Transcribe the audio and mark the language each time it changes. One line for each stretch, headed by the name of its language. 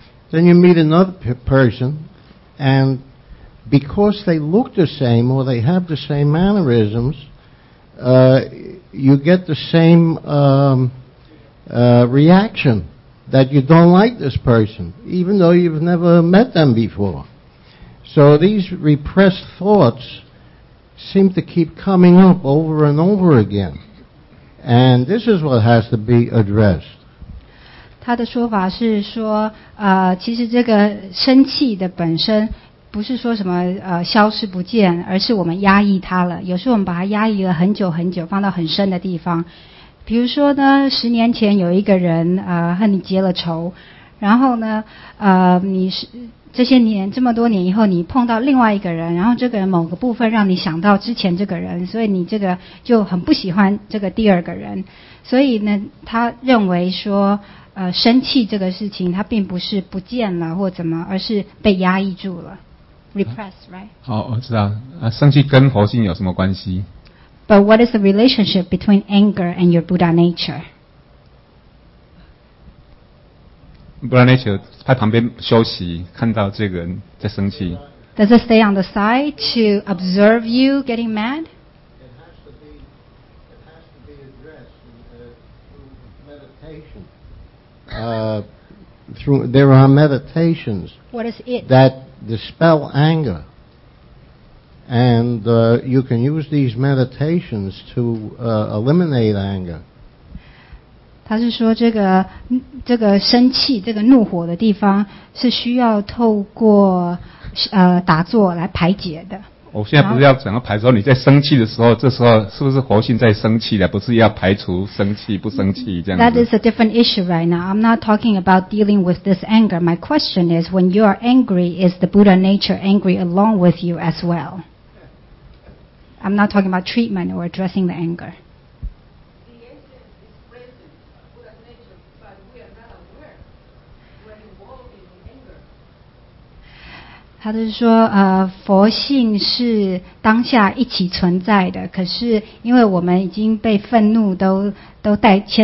English: Then you meet another person, and because they look the same or they have the same mannerisms, you get the same reaction that you don't like this person, even though you've never met them before. So these repressed thoughts seem to keep coming up over and over again. And this is what has to be addressed.
Chinese: 他的说法是说，其实这个生气的本身不是说什么消失不见，而是我们压抑它了。有时候我们把它压抑了很久很久，放到很深的地方。比如说呢，十年前有一个人和你结了仇，然后呢，你是这些年这么多年以后，你碰到另外一个人，然后这个人某个部分让你想到之前这个人，所以你这个就很不喜欢这个第二个人。所以呢，他认为说，生气这个事情，它并不是不见了或怎么，而是被压抑住了 ， repressed, right？好，我知道。生气跟佛性有什么关系？
English: But what is the relationship between anger and your Buddha nature?
Chinese: Buddha nature 在旁边休息，看到这个人在生气。
English: Does it stay on the side to observe you getting mad? It has to be addressed through meditation. There are meditations. What is it? That dispel anger. And you can use these meditations to eliminate anger.
Chinese: 他是说这个生气、这个怒火的地方是需要透过打坐来排解的。我现在不是要整个排除，你在生气的时候，这时候是不是佛性在生气了？不是要排除生气不生气这样子。
English: That is a different issue right now. I'm not talking about dealing with this anger. My question is, when you are angry, is the Buddha nature angry along with you as well? I'm not talking about treatment or addressing the anger. The anger is present, but we are not aware. We are involved in anger.
Chinese: 他是说，佛性是当下一起存在的，可是因为我们已经被愤怒都带